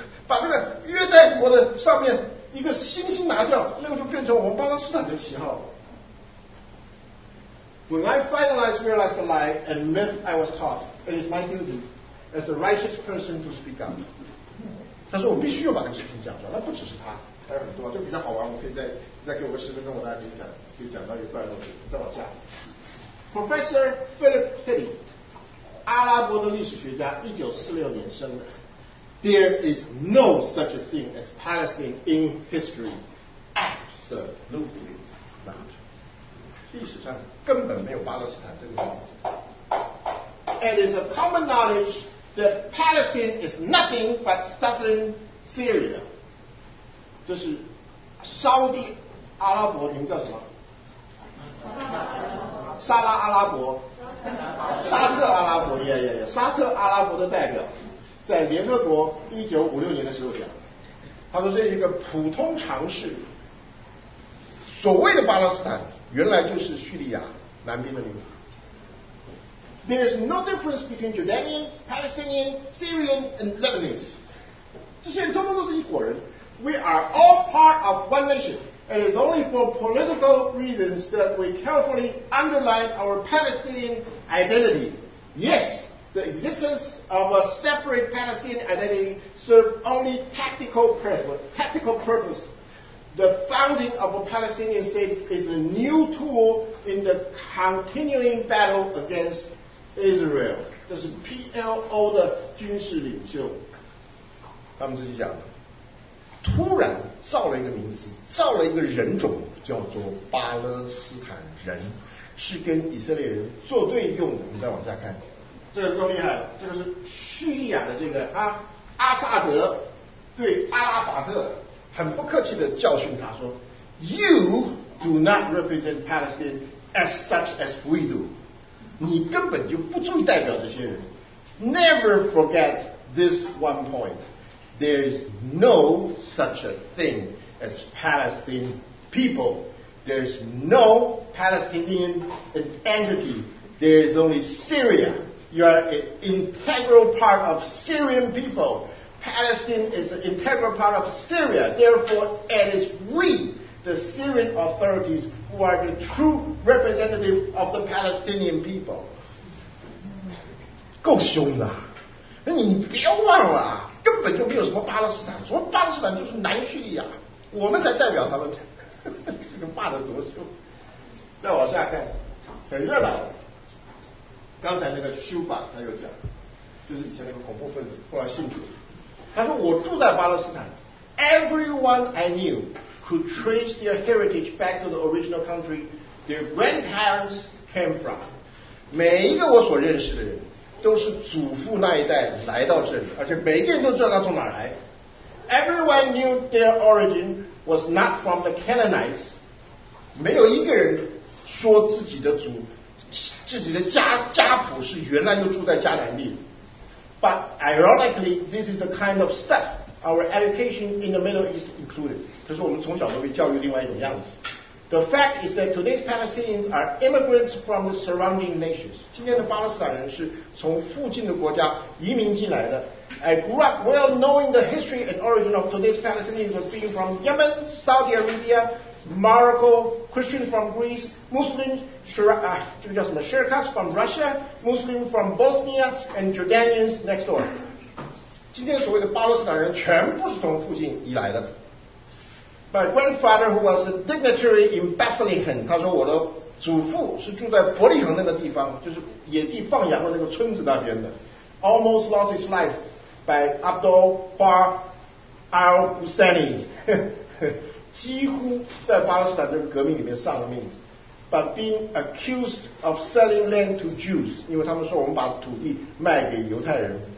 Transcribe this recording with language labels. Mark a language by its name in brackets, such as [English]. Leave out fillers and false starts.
[Chinese] 把这个约旦国的上面一个星星拿掉，那个就变成我们巴勒斯坦的旗号。 [English] When I finalized realized the lie and myth I was taught, it is my duty as a righteous person to speak up. [Chinese] 他说我必须要把这个事情讲出来，那不只是他，还有很多，就比较好玩，我可以再给我个十分钟，我大家可以讲到一个段落，再往下。 Professor Philip Pitti, 阿拉伯的历史学家，1946年生的。 [English] There is no such a thing as Palestine in history. Absolutely not. [Chinese] 历史上根本没有巴勒斯坦这个名字。 [English] And it's a common knowledge that Palestine is nothing but southern Syria. [Chinese] 这是沙地阿拉伯，你们叫什么？沙拉阿拉伯，沙特阿拉伯，沙特阿拉伯的代表，在联合国1956年的时候讲，他说这是一个普通常识。所谓的巴勒斯坦，原来就是叙利亚南边的领土。 [English] There is no difference between Jordanian, Palestinian, Syrian, and Lebanese. [Chinese] 这些人通通都是一国人。 [English] We are all part of one nation. And it's only for political reasons that we carefully underline our Palestinian identity. Yes, the existence of a separate Palestinian identity served only tactical purpose. The founding of a Palestinian state is a new tool in the continuing battle against Israel. [Chinese] 这是 PLO 的军事领袖。他们自己讲的。突然造了一个名词，造了一个人种，叫做巴勒斯坦人，是跟以色列人作对用的。你再往下看，这个够厉害了。这个是叙利亚的这个阿萨德对阿拉法特很不客气的教训他说 [English] ：“You do not represent Palestine as such as we do。” [Chinese] 你根本就不足以代表这些人。 [English] Never forget this one point. There is no such a thing as Palestinian people. There is no Palestinian entity. There is only Syria. You are an integral part of Syrian people. Palestine is an integral part of Syria. Therefore, it is we, the Syrian authorities, who are the true representative of the Palestinian people. [Chinese] 够凶的，你别忘了。根本就没有什么巴勒斯坦，什么巴勒斯坦就是南叙利亚，我们才代表他们。这个骂得多凶！再往下看，很热闹。刚才那个修法他又讲，就是以前那个恐怖分子，后来信主。他说我住在巴勒斯坦 [English] ，Everyone I knew could trace their heritage back to the original country their grandparents came from。 [Chinese] 每一个我所认识的人。都是祖父那一代来到这里，而且每个人都知道他从哪来。 [English] Everyone knew their origin was not from the Canaanites. [Chinese] 没有一个人说自己的祖、自己的家谱是原来就住在迦南地。 [English] But ironically, this is the kind of stuff our education in the Middle East included. [Chinese] 可是我们从小都被教育另外一种样子。 [English] The fact is that today's Palestinians are immigrants from the surrounding nations. [Chinese] 今天的巴勒斯坦人是从附近的国家移民进来的。 [English] I grew up well knowing the history and origin of today's Palestinians as being from Yemen, Saudi Arabia, Morocco, Christians from Greece, Muslims, Shirkas from Russia, Muslims from Bosnia, and Jordanians next door. [Chinese] 今天所谓的巴勒斯坦人全部是从附近移来的。 [English] My grandfather, who was a dignitary in Bethlehem, [Chinese] 他说我的祖父是住在伯利恒那个地方，就是野地放羊的那个村子那边的。 [English] Almost lost his life by Abdul Bar al-Husseini, [Chinese] 几乎在巴勒斯坦的革命里面丧了命。 [English] But being accused of selling land to Jews, [Chinese] 因为他们说我们把土地卖给犹太人。